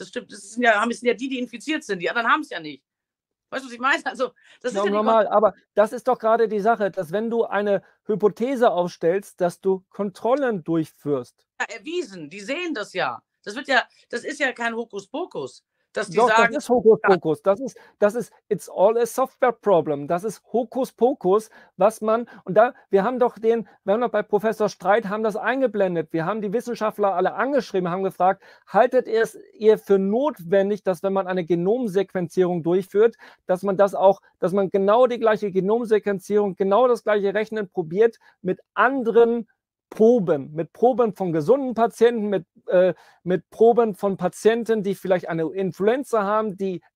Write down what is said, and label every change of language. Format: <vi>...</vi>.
<de>Das stimmt, es sind ja die infiziert sind. Die anderen haben es ja nicht. Weißt du, was ich meine? Also, das ist ja normal. Aber das ist doch gerade die Sache, dass wenn du eine Hypothese aufstellst, dass du Kontrollen durchführst. Ja, erwiesen. Die sehen das ja. Das ist ja kein Hokuspokus. Dass die sagen, das ist Hokuspokus. Das ist,</de> <en>it's all a software problem.</en> <de>Das ist Hokuspokus, was man, und da, wir haben doch bei Professor Streit haben das eingeblendet. Wir haben die Wissenschaftler alle angeschrieben, haben gefragt, haltet ihr es ihr für notwendig, dass wenn man eine Genomsequenzierung durchführt, dass man das auch, dass man genau die gleiche Genomsequenzierung, genau das gleiche Rechnen probiert mit anderen Proben, mit Proben von gesunden Patienten, mit Proben von Patienten, die vielleicht eine Influenza haben, die</de>